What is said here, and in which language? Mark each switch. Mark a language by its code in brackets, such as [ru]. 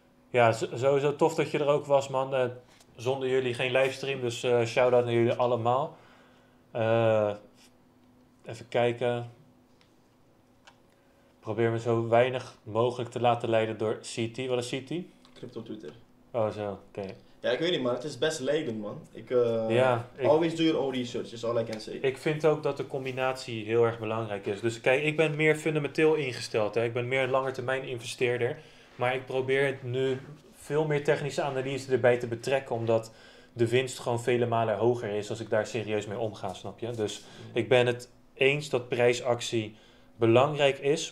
[nl] Ja, sowieso tof dat je er ook was, man. Zonder jullie geen livestream, dus shout-out naar jullie allemaal. Even kijken. Probeer me zo weinig mogelijk te laten leiden door CT. Wat is CT? Crypto Twitter. Oh, zo. Oké. Ja, ik weet niet, maar het is best leidend, man. Ik [en] always do your own research, is all I can say. [nl] Ik vind ook dat de combinatie heel erg belangrijk is. Dus kijk, ik ben meer fundamenteel ingesteld. Hè. Ik ben meer een langetermijn investeerder. Maar ik probeer het nu veel meer technische analyse erbij te betrekken. Omdat de winst gewoon vele malen hoger is als ik daar serieus mee omga, snap je? Dus ik ben het eens dat prijsactie belangrijk is.